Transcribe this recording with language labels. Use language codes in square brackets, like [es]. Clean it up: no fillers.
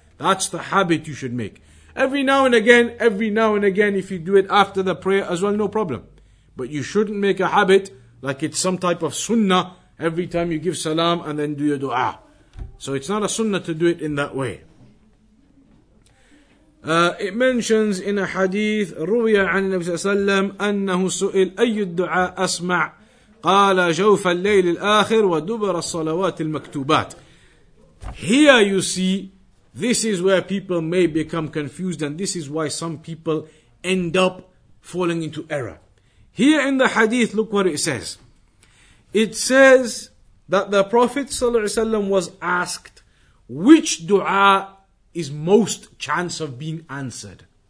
[en] That's the habit you should make. Every now and again, if you do it after the prayer as well, no problem. But you shouldn't make a habit like it's some type of sunnah every time you give salam and then do your dua. So it's not a sunnah to do it in that way. It mentions in a hadith, [ar] روي عن النبي صلى الله عليه وسلم أنه سئل أي الدعاء أسمع قال جوف الليل الآخر ودبر الصلوات المكتوبات. [en] Here you see, this is where people may become confused, and this is why some people end up falling into error. Here in the hadith, look what it says. It says that the Prophet صلى الله عليه وسلم was asked, which dua is most chance of being answered?